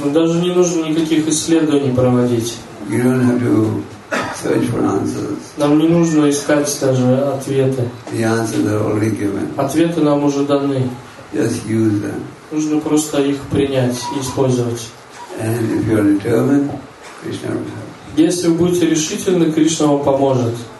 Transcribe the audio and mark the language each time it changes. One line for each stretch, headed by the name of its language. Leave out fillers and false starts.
Russian: Даже не нужно никаких исследований проводить.
English: You don't have to search for answers.
Russian: Нам не нужно искать даже ответы.
English: The answers are already given.
Russian: Ответы нам уже даны.
English: Just use them.
Russian: Нужно просто их принять и использовать.
English: And if you are determined, Krishna will help.
Russian: Если вы будете решительны, Кришна вам поможет.